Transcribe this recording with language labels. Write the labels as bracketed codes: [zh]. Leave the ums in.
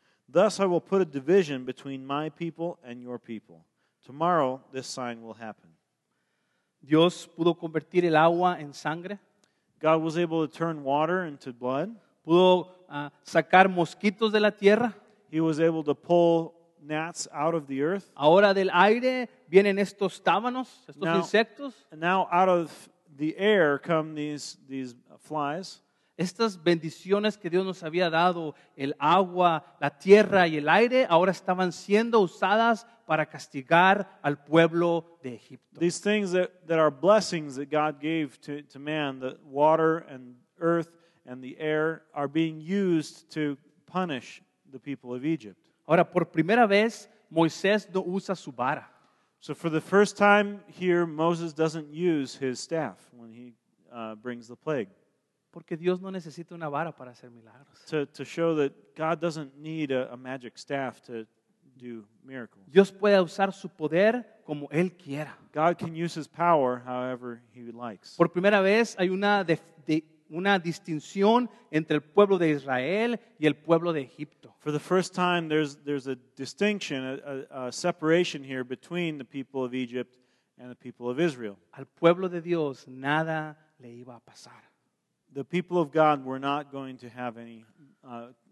[en] Thus I will put a division between my people and your people. Tomorrow this sign will happen. [es] Dios pudo convertir el agua en sangre. [en] God was able to turn water into blood. [es] Pudo uh, sacar mosquitos de la tierra. [en] He was able to pull gnats out of the earth. [es] Ahora del aire vienen estos tábanos, estos now, insectos. [en] And now out of the air come these, these flies. [es] Estas bendiciones que Dios nos había dado, el agua, la tierra y el aire, ahora estaban siendo usadas para castigar al pueblo de Egipto. [en] These things that, that are blessings that God gave to, to, man, the water and earth and the air, are being used to punish the people of Egypt. [es] Ahora, por primera vez, Moisés no usa su vara. [en] So for the first time here, Moses doesn't use his staff when he uh, brings the plague. Because [es] Dios no necesita una vara para hacer milagros. [en] To, to show that God doesn't need a, a magic staff to, miracles. [es] Dios puede usar su poder como él quiera. [en] God can use his power however he likes. For the first time there's there's a distinction a, a, a, separation here between the people of Egypt and the people of Israel. The people of God were not going to have any uh,